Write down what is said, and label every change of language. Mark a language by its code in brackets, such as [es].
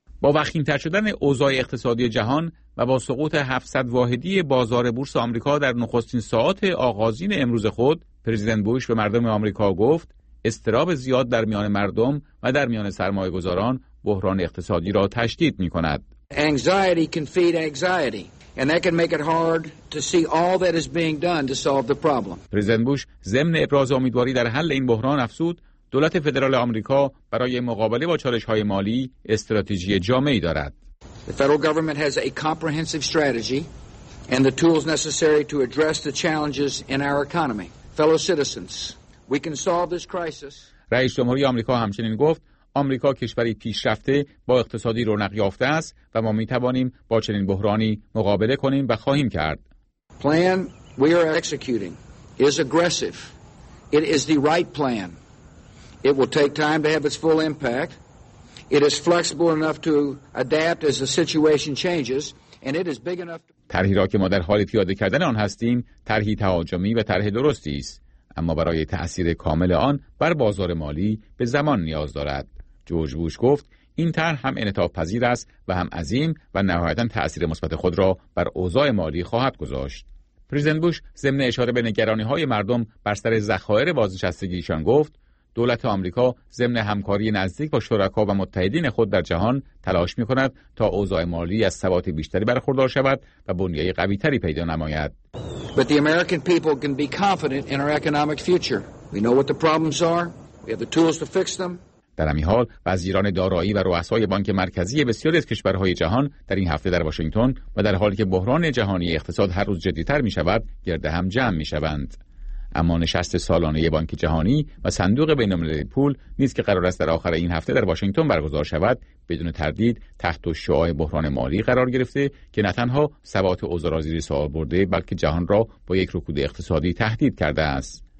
[fa] با وخیم‌تر شدن اوضاع اقتصادی جهان و با سقوط 700 واحدی بازار بورس آمریکا در نخستین ساعات آغازین امروز خود، پرزیدنت بوش به مردم آمریکا گفت اضطراب زیاد در میان مردم و در میان سرمایه‌گذاران بحران اقتصادی را تشدید می‌کند. [en] Anxiety can feed anxiety and that can make it hard to see all that is being done to solve the problem. [fa] پرزیدنت بوش ضمن ابراز امیدواری در حل این بحران افزود دولت فدرال آمریکا برای مقابله با چالش‌های مالی استراتژی جامعی دارد. [en] The federal government has a comprehensive strategy and the tools necessary to address the challenges in our economy. Fellow citizens, we can solve this crisis. [fa] رئیس جمهوری آمریکا همچنین گفت آمریکا کشوری پیشرفته با اقتصادی رونق یافته است و ما می‌توانیم با چنین بحرانی مقابله کنیم و خواهیم کرد. [en] Plan we are executing is aggressive. It is the right plan. It will take time to have its full impact. It is flexible enough to adapt as the situation changes and it is big enough. [fa] طرحی را که ما در حال پیاده کردن آن هستیم، طرحی تهاجمی و طرح درستی است، اما برای تأثیر کامل آن بر بازار مالی به زمان نیاز دارد. جورج بوش گفت این طرح هم انعطاف پذیر است و هم عظیم و نهایتاً تأثیر مثبت خود را بر اوضاع مالی خواهد گذاشت. پرزیدنت بوش ضمن اشاره به نگرانی‌های مردم بر سر ذخایر بازنشستگیشان گفت دولت آمریکا ضمن همکاری نزدیک با شرکا و متحدین خود در جهان تلاش می‌کند تا اوضاع مالی از ثبات بیشتری برخوردار شود و بنیه قوی‌تری پیدا نماید. [en] But the American people can be confident in our economic future. We know what the problems are. We have the tools to fix them. [fa] در همین حال وزیران دارایی و رؤسای بانک مرکزی بسیاری از کشورهای جهان در این هفته در واشنگتن و در حالی که بحران جهانی اقتصاد هر روز جدی‌تر می‌شود، گرد هم جمع می‌شوند. اما نشست سالانه بانک جهانی و صندوق بین‌المللی پول نیز که قرار است در آخر این هفته در واشنگتن برگزار شود، بدون تردید تحت شعاع بحران مالی قرار گرفته که نه تنها ثبات اوضاع را زیر سوال برده، بلکه جهان را با یک رکود اقتصادی تهدید کرده است.